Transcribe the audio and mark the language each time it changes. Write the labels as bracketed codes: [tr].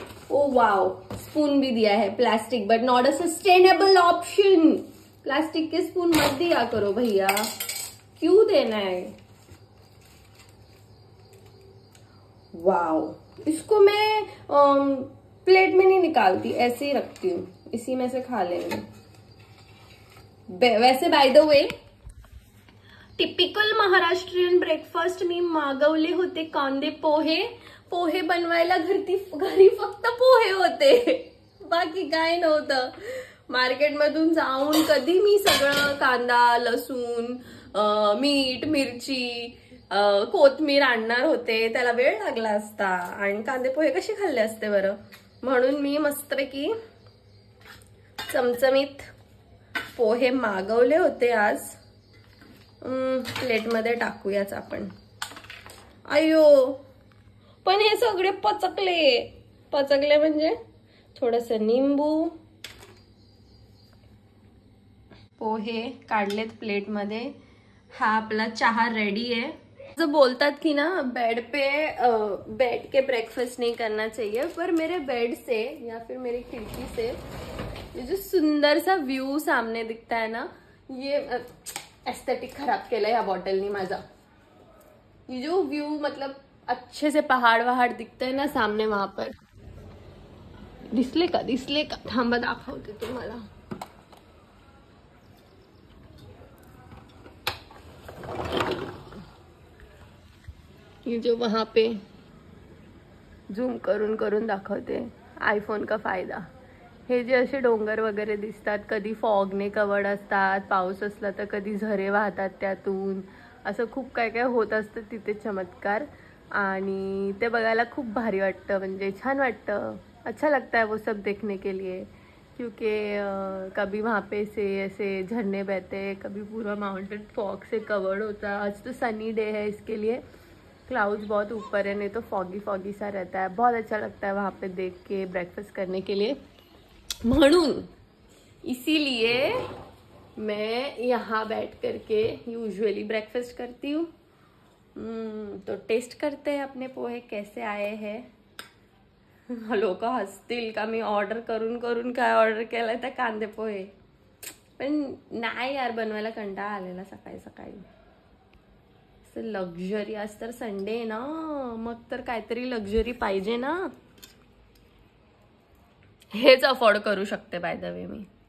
[hi] Oh wow, spoon भी दिया है plastic, [en] but not a sustainable option. [hi] Plastic के स्पून मत दिया करो भैया, क्यों देना है? Wow, इसको मैं प्लेट में नहीं निकालती, ऐसे ही रखती हूँ, इसी में से खा लेंगे। [mr] वैसे by the way typical Maharashtrian breakfast मी मागवले होते कांदे पोहे, पोहे बनवायला घरी फक्त पोहे होते, बाकी काय नव्हतं। मार्केट मधून जाऊन कधी मी सगळं कांदा लसूण मीठ मिरची कोथमीर आणणार होते, त्याला वेळ लागला असता, आणि कांदे पोहे कसे खाल्ले असते बरं। म्हणून मी मस्तपैकी चमचमीत पोहे मागवले होते आज, प्लेट मध्ये टाकूयाच आपण। अयो पण हे सगळे पचकले म्हणजे थोडस नींबू। पोहे काढलेत प्लेट मध्ये, हा आपला चहा रेडी आहे। [hi] जो बोलतात की ना बेड पे बैठ के ब्रेकफास्ट नहीं करना चाहिए, पर मेरे बेड से या फिर मेरी खिड़की से ये जो सुंदर सा व्यू सामने दिखता है ना, ये एस्थेटिक खराब केला या बॉटल नहीं माझा। ये जो व्यू मतलब अच्छे से पहाड़ वहाड़ दिखता है ना सामने, वहां पर [mr] दिसले का थांब दाखवते तुम्हाला। [hi] ये जो वहां पे जूम [mr] करून दाखवते, [hi] आयफोन का फायदा। [mr] हे जे असे डोंगर वगैरे दिसतात, कधी फॉग ने कवर्ड असतात, पाऊस असला तर कधी झरे वाहतात त्यातून, असं खूप काय काय होत असतं तिथे चमत्कार, आणि ते बघायला खूप भारी वाटतं, म्हणजे छान वाटतं, [hi] अच्छा लगता है वो सब देखने के लिए। क्योंकि कभी वहाँ पे से ऐसे झरने बहते, कभी पूरा माउंटेन फॉग से कवर्ड होता। आज तो सनी डे है, इसके लिए क्लाउड्स बहुत ऊपर है, नहीं तो फॉगी सा रहता है। बहुत अच्छा लगता है वहाँ पे देख के ब्रेकफास्ट करने के लिए। म्हणून इसीलिए मैं यहाँ बैठ करके यूजुअली ब्रेकफास्ट करती हूँ। तो टेस्ट करते हैं अपने पोहे कैसे आए हैं। [mr] लोक हसतील का मी ऑर्डर करून काय ऑर्डर केलं तर कांदे पोहे, पण नाही यार बनवायला कंटाळा आलेला सकाळी। लक्झरी आज तर संडे ना, मग तर काहीतरी लक्झरी पाहिजे ना, हेच अफोर्ड करू शकते बाय द वे मी।